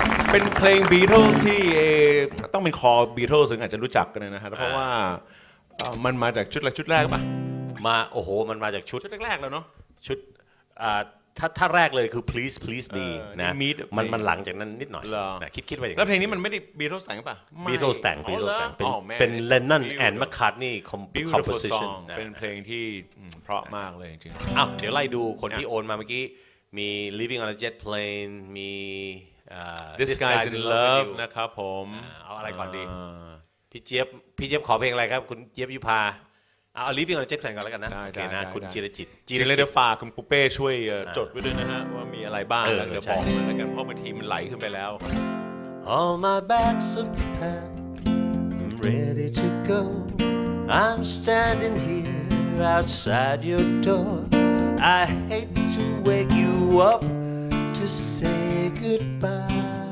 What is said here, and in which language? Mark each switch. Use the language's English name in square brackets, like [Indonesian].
[Thai] เป็นเพลง Beatles ที่ต้องเป็นคอ Beatles ถึงอาจจะรู้จักกันนะฮะเพราะว่ามันมาจากชุดแรกป่ะ มาโอ้โหมันมาจากชุด แรกแล้วเนาะ ชุดถ้าแรกเลยคือ Please Please Me นะ [English] Meet [Thai] มันหลังจากนั้นนิดหน่อยนะคิดๆไปอย่าง แล้วเพลงนี้มันไม่ได้ Beatles แต่งป่ะ Beatles แต่ง เป็น Lennon and McCartney composition เป็นเพลงที่เพราะมากเลยจริง ๆอ้าวเดี๋ยวไล่ดูคนที่โอนมาเมื่อกี้มี Living on a Jet Plane มี [English] This guy's in love นะครับผม [Thai] เอาอะไรก่อนดีพี่เจี๊ยบขอเพลงอะไรครับคุณเจี๊ยบยุพาเอา Living on a Jet Plane ก่อนแล้วกันนะโอเคนะคุณจิรจิต จิรจิตฝากคุณปุ๊เป้ช่วยจดไว้ด้วยนะฮะว่ามีอะไรบ้างแล้วเดี๋ยวบอกเลยแล้วกันเพราะบางทีมันไหลขึ้นไปแล้ว [English] All my bags are packed I'm ready to go I'm standing here outside your door I hate to wake you up to say goodbye